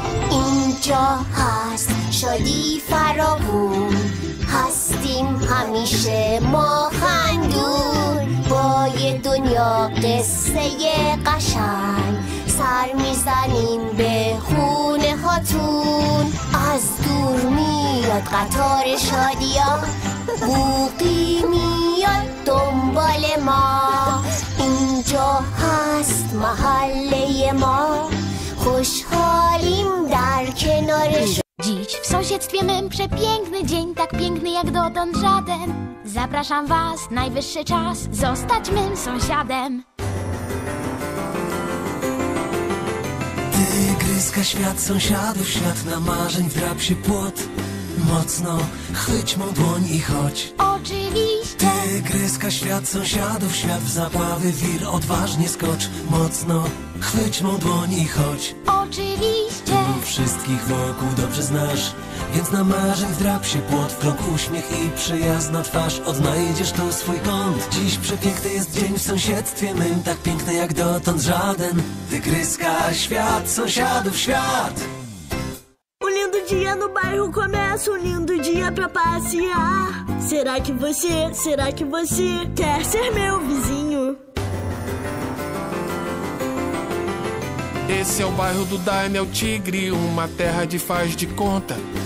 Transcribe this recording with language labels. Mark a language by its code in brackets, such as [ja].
[fa] اینجا هست شادی فراوون هستیم همیشه ما خندون با یه دنیا قصه قشنگ سر میزنیم به خونه هاتون از دور میاد قطار شادیا بوقی میاد دنبال ما اینجا هست محله ما خوشحالیم در کنارش [pl] Dziś w sąsiedztwie mym przepiękny dzień, tak piękny jak dotąd żaden. Zapraszam was, najwyższy czas zostać mym sąsiadem. Tygryska świat sąsiadów, świat na marzeń, wdrap się płot. Mocno chwyć mą dłoń i chodź. Oczywiście. Tygryska świat sąsiadów, świat w zabawy, wir, odważnie skocz. Mocno chwyć mą dłoń i chodź. Oczywiście. Wszystkich wokół dobrze znasz, więc na marzeń wdrap się płot. W krok uśmiech i przyjazna twarz, odnajdziesz to swój kąt. Dziś przepiękny jest dzień w sąsiedztwie mym, tak piękny jak dotąd żaden. Tygryska świat sąsiadów, świat. [pt] Dia no bairro começa um lindo dia pra passear. Será que você quer ser meu vizinho? Esse é o bairro do Daniel Tigre, uma terra de faz de conta.